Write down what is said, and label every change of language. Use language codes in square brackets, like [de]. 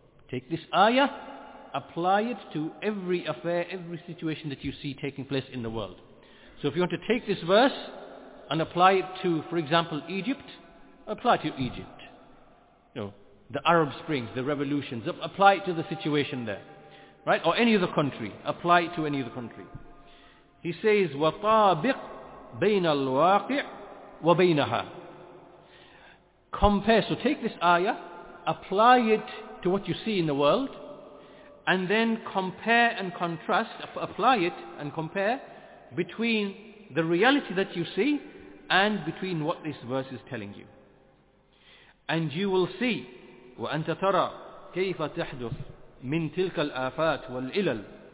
[en] Take this ayah, apply it to every affair, every situation that you see taking place in the world. So if you want to take this verse and apply it to, for example, Egypt, apply it to Egypt. You know, the Arab Springs, the revolutions, apply it to the situation there. Right? Or any other country. Apply it to any other country. He says, [ar] وَطَابِقْ بَيْنَ الْوَاقِعِ وَبَيْنَهَا. [en] Compare. So take this ayah, apply it to what you see in the world, and then compare and contrast, apply it and compare between the reality that you see and between what this verse is telling you. And you will see, [ar] وَأَنْتَ تَرَى كَيْفَ تَحْدُثْ مِنْ تِلْكَ الْآفَاتِ وَالْإِلَلِ.